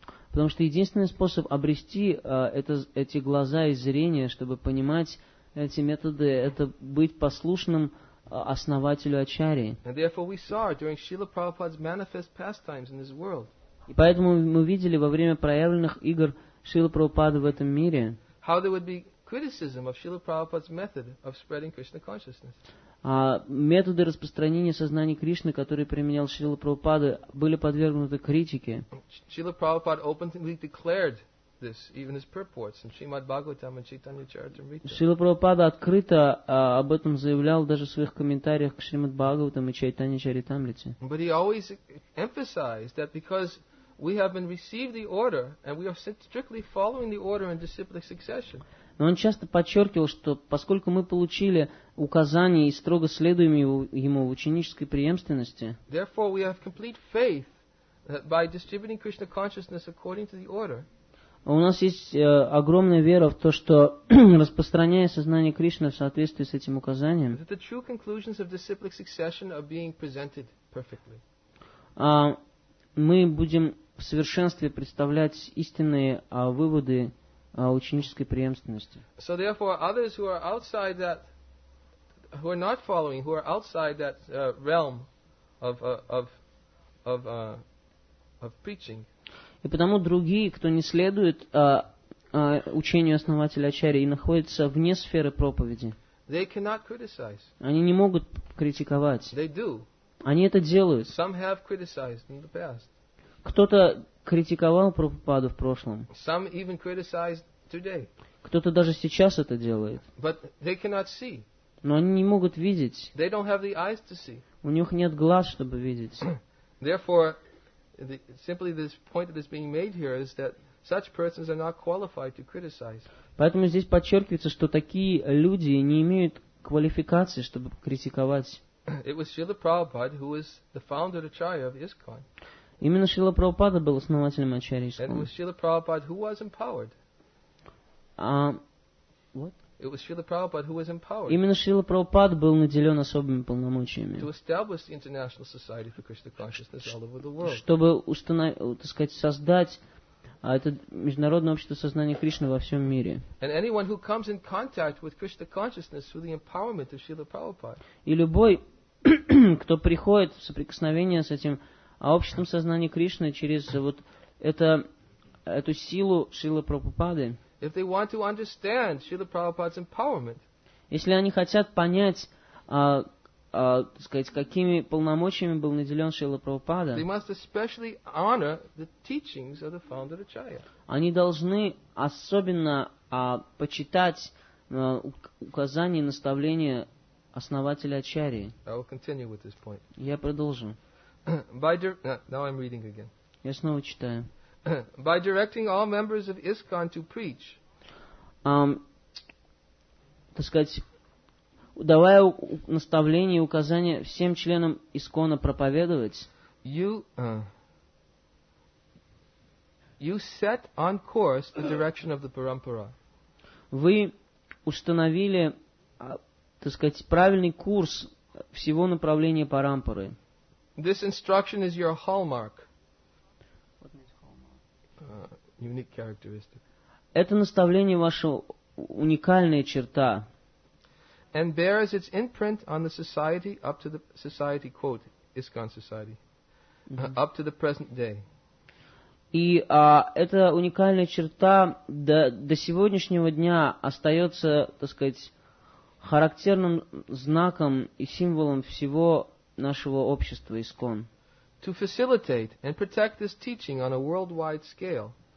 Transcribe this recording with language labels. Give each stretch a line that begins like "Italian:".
Russian: Потому что единственный способ обрести эти глаза и зрение, чтобы понимать эти методы, это быть послушным основателю ачарьи.
English: And therefore we saw during Srila Prabhupada's manifest pastimes in this world.
Russian: И поэтому мы видели во время проявленных игр Шрилы Прабхупады в этом мире,
English: how there would be criticism of Srila Prabhupada's method of spreading Krishna consciousness.
Russian: Методы распространения сознания Кришны, которые применял Шрила Прабхупада, были подвергнуты критике.
English: Srila Prabhupada openly declared this, even his purports in Srimad Bhagavatam and Chaitanya Charitamrita.
Russian: Шрила Прабхупада открыто об этом заявлял даже в своих комментариях к Шримад Бхагаватам и Чайтанья Чаритамрите.
English: But he always emphasized that because we have been received the order and we are strictly following the order in disciplic succession.
Russian: Но он часто подчеркивал, что поскольку мы получили указание и строго следуем ему в ученической преемственности,
English: therefore we have complete faith that by distributing Krishna consciousness according to the order,
Russian: у нас есть огромная вера в то, что распространяя сознание Кришны в соответствии с этим указанием,
English: that the true conclusions of disciplic succession are being presented perfectly.
Russian: Мы будем в совершенстве представлять истинные выводы ученической преемственности.
English: So therefore, others who are outside that, who are not following, who are outside that realm of preaching.
Russian: И потому другие, кто не следует учению основателя Ачарьи и находится вне сферы проповеди,
English: they cannot criticize.
Russian: Они не могут критиковать.
English: They do.
Russian: Они это делают.
English: Some have criticized in the past.
Russian: Кто-то критиковал Прабхупаду в прошлом.
English: Some even criticized today.
Russian: Кто-то даже сейчас это делает.
English: But they cannot see.
Russian: Но они не могут видеть.
English: They don't have the eyes to see.
Russian: У них нет глаз, чтобы видеть.
English: Therefore, simply this point that is being made here is that such persons are not qualified to criticize.
Russian: Поэтому здесь подчеркивается, что такие люди не имеют квалификации, чтобы критиковать.
English: It was Srila Prabhupada who was the founder Acharya of ISKCON.
Russian: Именно Шрила Прабхупада был основателем Ачарьи Искон.
English: And it was Srila Prabhupada who was empowered. What? It was Srila Prabhupada who was empowered.
Russian: Именно Шрила Прабхупада был наделен особыми полномочиями.
English: To establish the International Society for Krishna Consciousness all over the world.
Russian: Чтобы создать это международное общество сознания Кришны во всем мире.
English: And anyone who comes in contact with Krishna consciousness through the empowerment of Srila Prabhupada.
Russian: И любой, кто приходит в соприкосновение с этим а обществом сознания Кришны через вот эту силу Шрилы Прабхупады.
English: If they want to understand Srila Prabhupada's empowerment,
Russian: если они хотят понять, какими полномочиями был наделен Шрила Прабхупада,
English: they must especially honor the teachings of the founder Acharya.
Russian: Они должны особенно почитать указания и наставления основателя Ачарьи.
English: I will continue with this point.
Russian: Я продолжу.
English: Now I'm reading again.
Russian: Я снова читаю.
English: By directing all members of ISKCON to preach,
Russian: давая наставление и указания всем членам ИСККОНа проповедовать,
English: you set on course the direction of the parampara.
Russian: Вы установили, правильный курс всего направления парампары.
English: This instruction is your hallmark. What means hallmark? Unique characteristic.
Russian: Это наставление ваша уникальная черта.
English: And bears its imprint on the society up to the society, quote, ISKCON society, up to the present day.
Russian: И эта уникальная черта до сегодняшнего дня остается, характерным знаком и символом всего нашего общества ИСККОН.
English: To facilitate and protect this teaching on a worldwide scale.